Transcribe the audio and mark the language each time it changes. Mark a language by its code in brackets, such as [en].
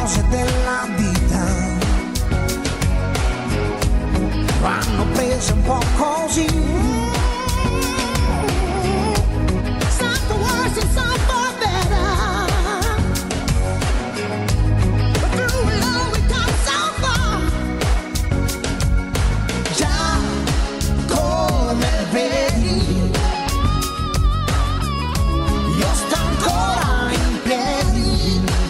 [it] Della vita vanno prese un po' così. [en] Some for worse and some for better, but through it all we come so far. [it] Già come vedi, io sto ancora in piedi.